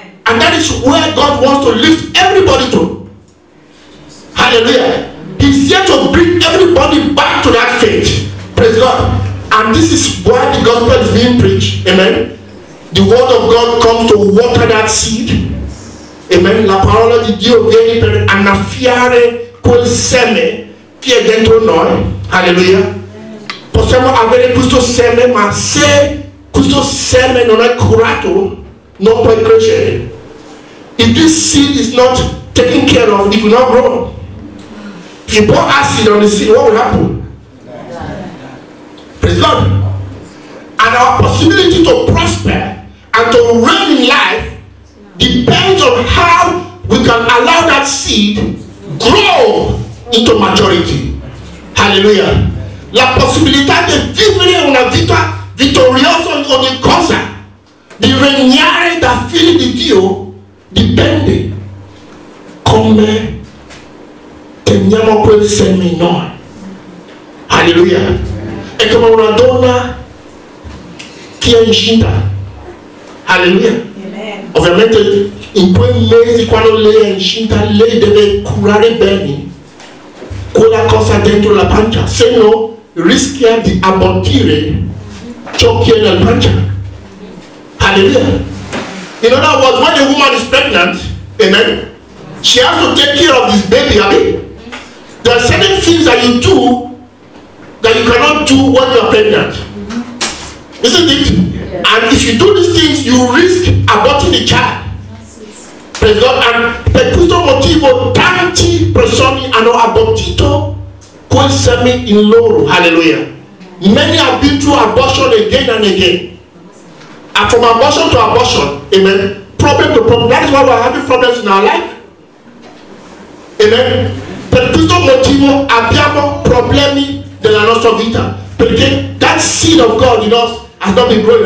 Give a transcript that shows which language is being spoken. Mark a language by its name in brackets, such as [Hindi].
[English] And that is where God wants to lift everybody to. Hallelujah. He's here to bring everybody back to that faith. Praise God. And this is why the gospel is being preached. Amen. The word of God comes to water that seed. Amen. [Italian] La parola di Dio viene per annaffiare quel seme che è dentro noi. Hallelujah. Possiamo avere questo seme, ma se questo seme non è curato, non puoi crescere. [English] If this seed is not taken care of, it will not grow. If you pour acid on the seed, what will happen? Praise God. And our possibility to prosper and to reign in life depends on how we can allow that seed grow into maturity. Hallelujah. [Italian] La possibilità di vivere una vita vittoriosa ogni cosa Di regnare da figli di Dio dipende come teniamo quel seme in noi. Alleluia. È come una donna che è incinta. Alleluia. Ovviamente in quei mesi quando lei è incinta, lei deve curare bene quella cosa dentro la pancia, se no rischia di abortire ciò che è nella pancia. Alleluia. [English] In other words, when a woman is pregnant, amen, she has to take care of this baby, amen. There are certain things that you do that you cannot do when you are pregnant. Isn't it? And if you do these things, you risk aborting the child. Praise God. [Italian] And per questo motivo, tanti persone hanno abortito quel seme in loro. Hallelujah. [English] Many have been through abortion again and again. And from abortion to abortion, amen. Problem to problem. That is why we are having problems in our life. Amen. [Italian] Per questo motivo, abbiamo problemi nella nostra vita. Perché [English] that seed of God in us has not been growing.